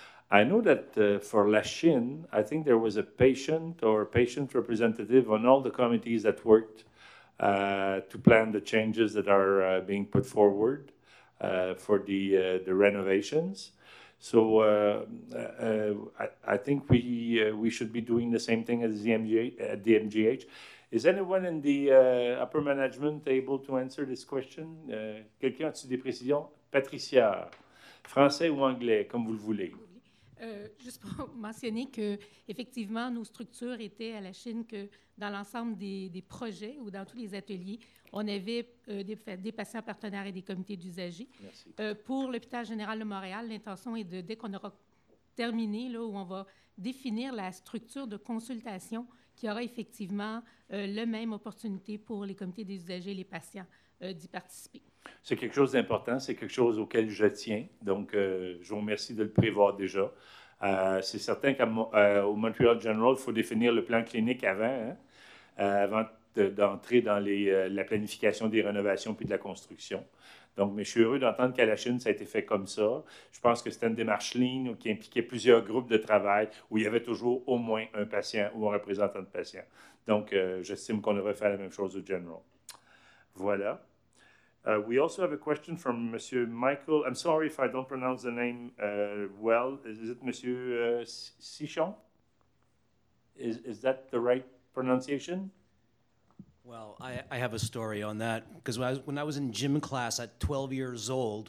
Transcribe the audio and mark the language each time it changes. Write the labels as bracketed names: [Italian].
[English] I know that for Lachine, I think there was a patient or patient representative on all the committees that worked to plan the changes that are being put forward for the renovations. So I think we should be doing the same thing as the MGH. Is anyone in the upper management able to answer this question? [French] Quelqu'un a-t-il des précisions? Patricia, français ou anglais, comme vous le voulez. Juste pour mentionner que effectivement nos structures étaient à Lachine, que dans l'ensemble des projets ou dans tous les ateliers, on avait des patients partenaires et des comités d'usagers. Pour l'Hôpital général de Montréal, l'intention est de, dès qu'on aura terminé, là où on va définir la structure de consultation, qu'il y aura effectivement la même opportunité pour les comités des usagers et les patients d'y participer. C'est quelque chose d'important, c'est quelque chose auquel je tiens, donc je vous remercie de le prévoir déjà. C'est certain qu'au Montreal General, il faut définir le plan clinique avant, hein, avant d'entrer dans la planification des rénovations puis de la construction. Donc, mais je suis heureux d'entendre qu'à Lachine, ça a été fait comme ça. Je pense que c'était une démarche lean qui impliquait plusieurs groupes de travail où il y avait toujours au moins un patient ou un représentant de patient. Donc, j'estime qu'on devrait faire la même chose au General. Voilà. [English] We also have a question from Monsieur Michael. I'm sorry if I don't pronounce the name well. Is it Monsieur Sichon? Is that the right pronunciation? Well, I have a story on that, because when I was in gym class at 12 years old,